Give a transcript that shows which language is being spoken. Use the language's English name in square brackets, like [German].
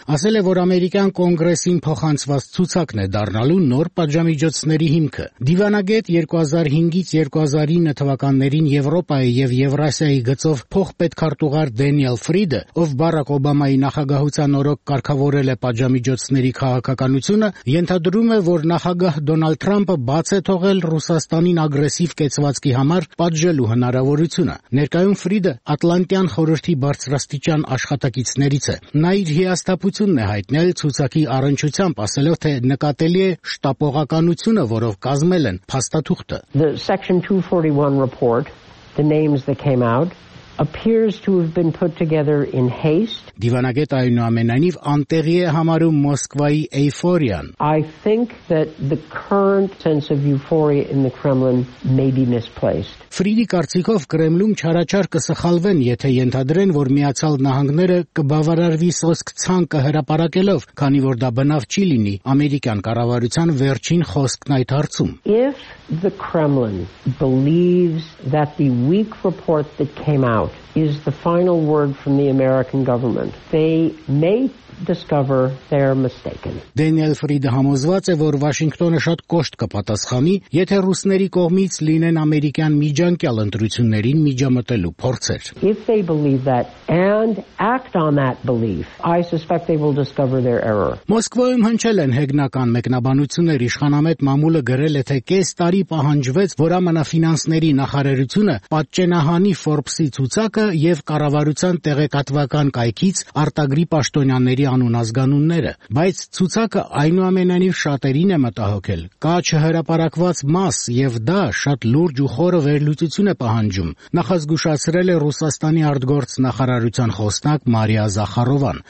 [Armenian] ասել է, որ ամերիկյան կոնգրեսին փոխանցված ցուցակն է դառնալու նոր պատժամիջոցների հիմքը։ Դիվանագետ 2005-ից 2009 թվականներին Եվրոպայի և Եվրասիայի գծով փոխպետքարտուղար Դենիել Ֆրիդը, ով Բարակ Օբամայի նախագահության օրոք կարգավորել է պատժամիջոցների քաղաքականությունը, ենթադրում է, որ նախագահ Դոնալդ Թրամփը բաց է թողել Ռուսաստանին ագրեսիվ կեցվածքի համար պատժելու հնարավորությունը։ Ներկայում Ֆրիդը Ատլանտյան խորհրդի բարձրաստիճան աշխատակիցներից է։ Նա իր հիասթափությունն է հայտնել ցուցակի առնչությամբ, ասելով, թե նկատելի է շտապողականությունը, որով կազմել են փաստաթուղթը։ [English] The Section 241 report, the names that came out appears to have been put together in haste. [Armenian] Դիվանագետ այնուամենայնիվ անտեղի է համարում Մոսկվայի էйֆորիան. [English] I think that the current sense of euphoria in the Kremlin may be misplaced. [Armenian] Ֆրիդի կարծիքով Կրեմլում չարաչար կսխալվեն, եթե ենթադրեն, որ Միացյալ Նահանգները կբավարարվի սոսկ ցանկը հրապարակելով, քանի որ դա բնավ չի լինի ամերիկյան կառավարության վերջին խոսքն այդ հարցում։ [English] If the Kremlin believes that the weak report that came out is the final word from the American government, they may discover they're mistaken. [Armenian] Դենիել Ֆրիդը համոզված է, որ Վաշինգտոնը շատ կոշտ կպատասխանի, եթե ռուսների կողմից լինեն ամերիկյան միջանկյալ ընտրություններին միջամտելու փորձեր։ [English] If they believe that and act on that belief, I suspect they will discover their error. [Armenian] Մոսկվայում հնչել են հեգնական մեկնաբանություններ, իշխանամետ մամուլը գրել է, թե կես տարի պահանջվեց, որ ԱՄՆ ֆինանսների նախարարությունը պատճենահանի Forbes-ի ցուցակը Կայքը եւ կառավարության տեղեկատվական կայքից արտագրի պաշտոնյաների անունազգանունները, բայց ցուցակը այնուամենայնիվ շատերին է մտահոգել։ Կա չհրապարակված մաս եւ դա շատ լուրջ ու խորը վերլուծություն է պահանջում, նախազգուշացրել է Ռուսաստանի արտգործ նախարարության խոսնակ Մարիա Զախարովան։